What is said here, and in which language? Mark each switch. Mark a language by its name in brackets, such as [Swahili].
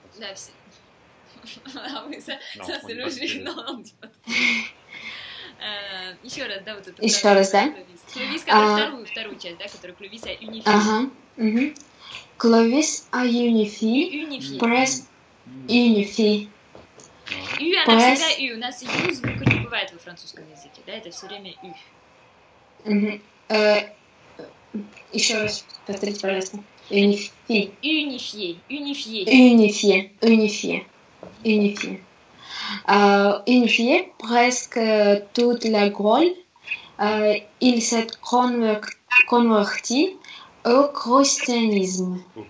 [French] Là, c'est... ah oui, ça c'est logique. Non, on dit pas. [Russian] Еще раз, да, вот это. Еще раз, да. Clovis, вторую часть, да, которую [French] Clovis a unifié. Ага. Clovis a unifié. Unifié. [Russian] U, она всегда U. У нас U звука не бывает во французском языке. Да, это все время U. Еще раз повторите, пожалуйста. [French] Unifié presque toute la Gaule. Il s'est converti au christianisme.